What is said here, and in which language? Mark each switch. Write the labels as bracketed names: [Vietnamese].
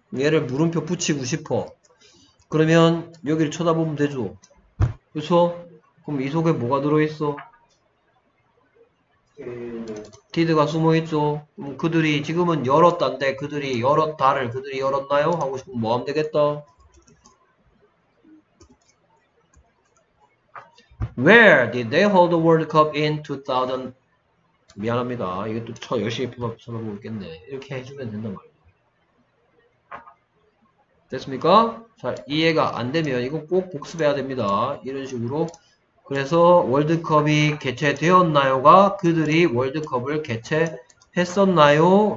[Korean] 얘를 물음표 붙이고 싶어. 그러면 여기를 쳐다보면 되죠. 그렇죠? 그럼 이 속에 뭐가 들어있어? 디드가 숨어있죠. 그럼 그들이 지금은 열었단데 그들이 열었다를 그들이 열었나요? 하고 싶으면 뭐 하면 되겠다. [English] Where did they hold the World Cup in 2000? [Korean] 미안합니다. 이것도 저 열심히 쳐다보고 있겠네. 이렇게 해주면 된단 말이에요. 됐습니까? 잘 이해가 안 되면 이거 꼭 복습해야 됩니다. 이런 식으로. 그래서 월드컵이 개최되었나요가 그들이 월드컵을 개최했었나요?